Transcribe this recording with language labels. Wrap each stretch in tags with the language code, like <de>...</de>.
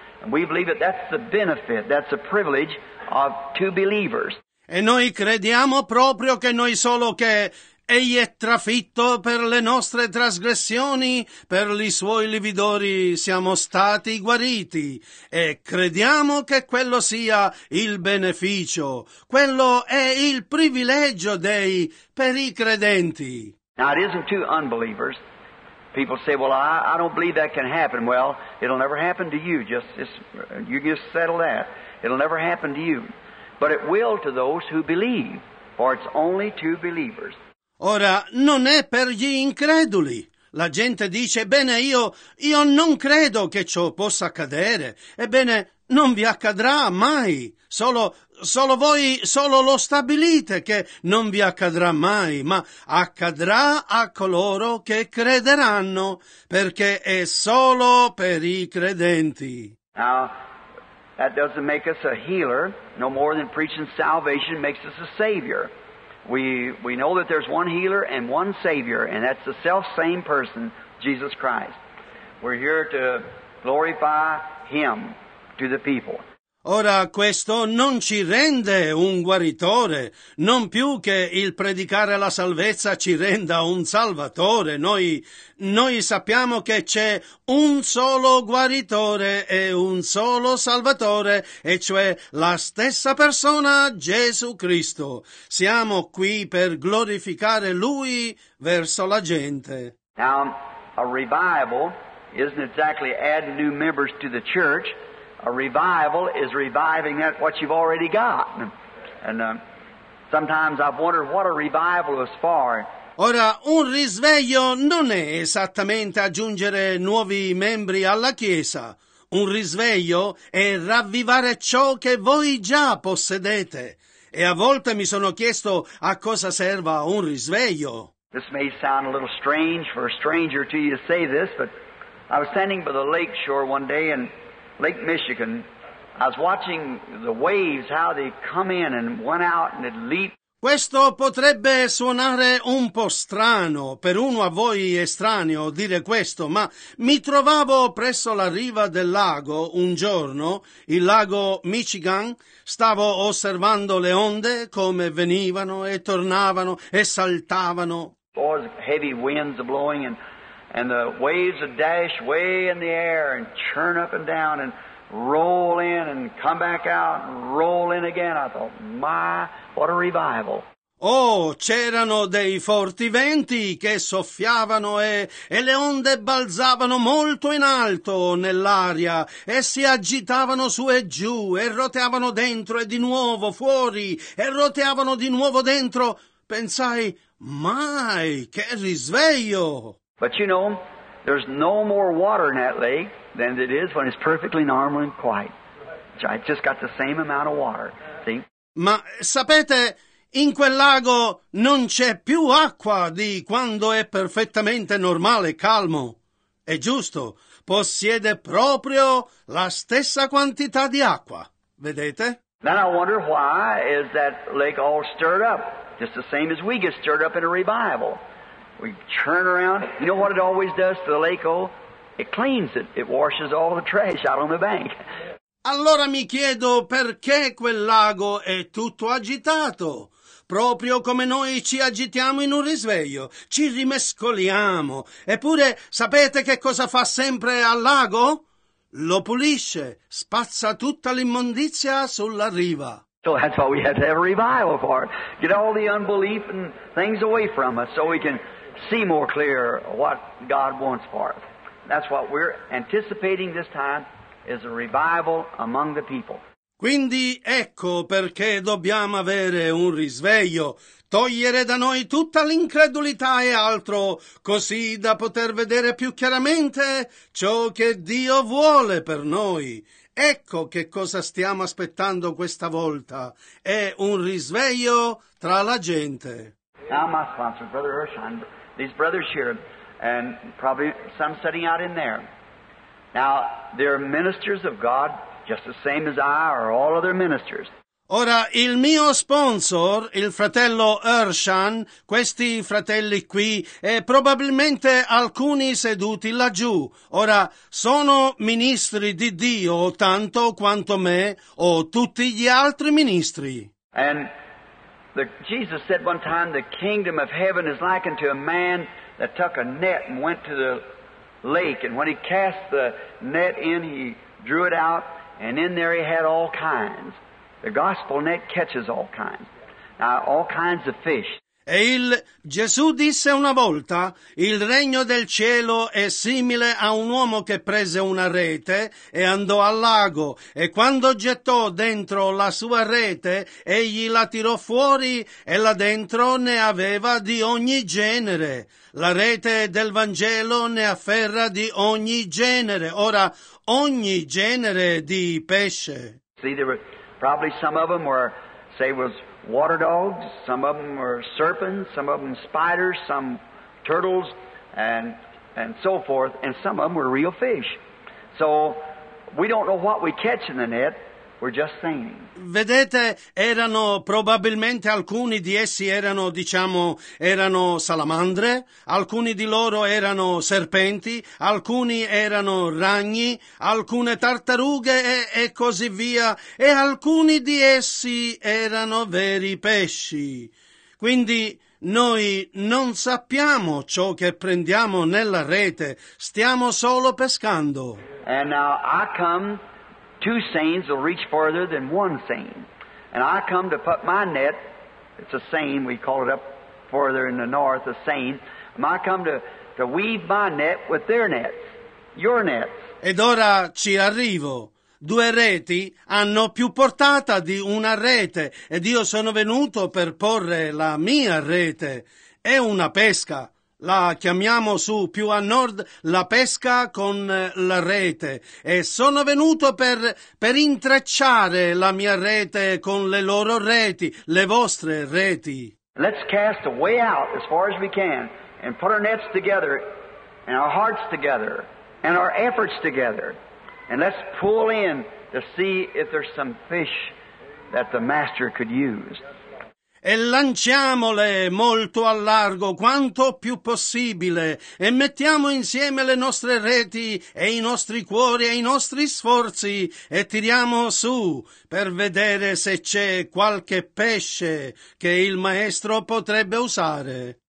<en>And we believe that that's the benefit, that's the privilege of two believers.</en> <it>E noi crediamo proprio che noi solo che Egli è trafitto per le nostre trasgressioni, per i Suoi lividori siamo stati guariti. E crediamo che quello sia il beneficio. Quello è il privilegio dei per i credenti.</it> <en>Now it isn't to unbelievers. People say, I don't believe that can happen. Well, it'll never happen to you. Just settle that. It'll never happen to you. But it will to those who believe. For it's only to believers.</en> <it>Ora, non è per gli increduli. La gente dice, bene, io non credo che ciò possa accadere. Ebbene, non vi accadrà mai. Solo voi lo stabilite che non vi accadrà mai, ma accadrà a coloro che crederanno, perché è solo per i credenti.</it> <en>Now, that doesn't make us a healer, no more than preaching salvation makes us a savior. We know that there's one healer and one savior, and that's the self-same person, Jesus Christ. We're here to glorify Him to the people.</en> <it>Ora, questo non ci rende un guaritore. Non più che il predicare la salvezza ci renda un salvatore. Noi sappiamo che c'è un solo guaritore e un solo salvatore, e cioè la stessa persona, Gesù Cristo. Siamo qui per glorificare Lui verso la gente.</it> <en>Now, a revival isn't exactly adding new members to the church. A revival is reviving that what you've already got. And sometimes I've wondered what a revival is for.</en> <it>Ora, un risveglio non è esattamente aggiungere nuovi membri alla Chiesa. Un risveglio è ravvivare ciò che voi già possedete. E a volte mi sono chiesto a cosa serva un risveglio.</it> <en>This may sound a little strange for a stranger to you to say this, but I was standing by the lake shore one day in Lake Michigan. I was watching the waves, how they come in and went out and it leaped.</en> <it>Questo potrebbe suonare un po' strano, per uno a voi è strano dire questo, ma mi trovavo presso la riva del lago un giorno, il lago Michigan, stavo osservando le onde come venivano e tornavano e saltavano.</it> <en>Boys, heavy winds are blowing and the waves would dash way in the air and churn up and down and roll in and come back out and roll in again. I thought, my, what a revival.</en> <it>Oh, c'erano dei forti venti che soffiavano e le onde balzavano molto in alto nell'aria e si agitavano su e giù e roteavano dentro e di nuovo fuori e roteavano di nuovo dentro. Pensai, mai, che risveglio!</it> <en>But you know, there's no more water in that lake than it is when it's perfectly normal and quiet. It's just got the same amount of water, see?</en> <it>Ma sapete, in quel lago non c'è più acqua di quando è perfettamente normale e calmo. È giusto, possiede proprio la stessa quantità di acqua, vedete?</it> <en>Then I wonder why is that lake all stirred up, just the same as we get stirred up in a revival. We turn around. You know what it always does to the lake, oh? It cleans it. It washes all the trash out on the bank.</en> <it>Allora mi chiedo perché quel lago è tutto agitato. Proprio come noi ci agitiamo in un risveglio. Ci rimescoliamo. Eppure sapete che cosa fa sempre al lago? Lo pulisce. Spazza tutta l'immondizia sulla riva.</it> <en>So that's why we have to have a revival for it. Get all the unbelief and things away from us so we can see more clear what God wants for us. That's what we're anticipating this time is a revival among the people.</en> <it>Quindi ecco perché dobbiamo avere un risveglio, togliere da noi tutta l'incredulità e altro, così da poter vedere più chiaramente ciò che Dio vuole per noi. Ecco che cosa stiamo aspettando questa volta. È un risveglio tra la gente.</it> <en>Now my sponsor, Brother Hirschheim, these brothers here, and probably some sitting out in there. Now, they're ministers of God, just the same as I or all other ministers.</en> <it>Ora, il mio sponsor, il fratello Hirschheim, questi fratelli qui, e probabilmente alcuni seduti laggiù. Ora, sono ministri di Dio tanto quanto me o tutti gli altri ministri.</it> <en>And Jesus said one time, the kingdom of heaven is likened to a man that took a net and went to the lake. And when he cast the net in, he drew it out, and in there he had all kinds. The gospel net catches all kinds. Now, all kinds of fish.</en> <it>E Gesù disse una volta, il regno del cielo è simile a un uomo che prese una rete e andò al lago, e quando gettò dentro la sua rete, egli la tirò fuori e là dentro ne aveva di ogni genere. La rete del Vangelo ne afferra di ogni genere. Ora, ogni genere di pesce.</it> <en>See, there were probably some of them were, say, was water dogs, some of them were serpents, some of them spiders, some turtles, and so forth, and some of them were real fish. So we don't know what we catch in the net, we're just saying.</en> <it>Vedete, erano probabilmente alcuni di essi erano, diciamo, erano salamandre, alcuni di loro erano serpenti, alcuni erano ragni, alcune tartarughe e così via, e alcuni di essi erano veri pesci. Quindi noi non sappiamo ciò che prendiamo nella rete, stiamo solo pescando.</it> <en>And now I come. Two seines will reach further than one seine. And I come to put my net, it's a seine, we call it up further in the north, a seine. I come to weave my net with their nets, your nets.</en> <it>Ed ora ci arrivo. Due reti hanno più portata di una rete, ed io sono venuto per porre la mia rete. È una pesca. La chiamiamo su più a nord la pesca con la rete e sono venuto per intrecciare la mia rete con le loro reti, le vostre reti.</it> <en>Let's cast way out as far as we can and put our nets together and our hearts together and our efforts together and let's pull in to see if there's some fish that the master could use.</en> <it>e lanciamole molto a largo, quanto più possibile, e mettiamo insieme le nostre reti e i nostri cuori e i nostri sforzi e tiriamo su per vedere se c'è qualche pesce che il maestro potrebbe usare.</it>